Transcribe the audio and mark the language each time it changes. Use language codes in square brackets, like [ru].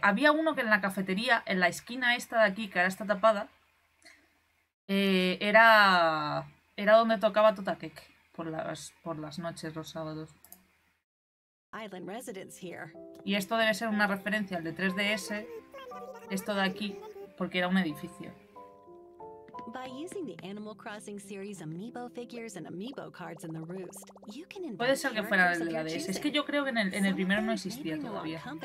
[es] Había uno que en la cafetería, en la esquina esta de aquí, que ahora está tapada. Era donde tocaba Totakek. Por las noches, los sábados. [en] Island residents here. [es] Y esto debe ser una referencia al de 3DS. Esto de aquí, porque era un edificio. [en] By using the Animal Crossing series amiibo figures and amiibo cards in the Roost, you can invite. [es] Puede ser que fuera el de la DS. Es que yo creo que en el primero no existía todavía.